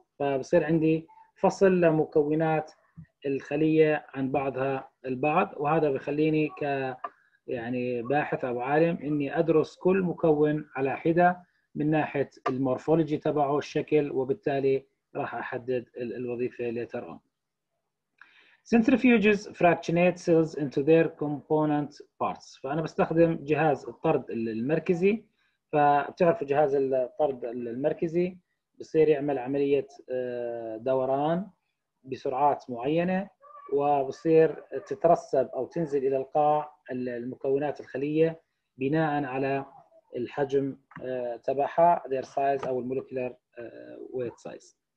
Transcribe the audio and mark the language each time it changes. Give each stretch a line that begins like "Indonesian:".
Arabic: فبصير عندي فصل لمكونات الخلية عن بعضها البعض، وهذا بيخليني ك يعني باحث أو عالم إني أدرس كل مكون على حدة من ناحية المورفولوجي تبعه الشكل، وبالتالي راح أحدد الوظيفة
English: later on. Centrifuges fractionate cells into their component parts.
Arabic: فأنا بستخدم جهاز الطرد المركزي، فبتعرفوا جهاز الطرد المركزي بصير يعمل عملية دوران بسرعات معينة، وبصير تترسب أو تنزل إلى القاع المكونات الخلية بناء على الحجم تبعها،
English: their size
Arabic: أو المولكيولر weight size.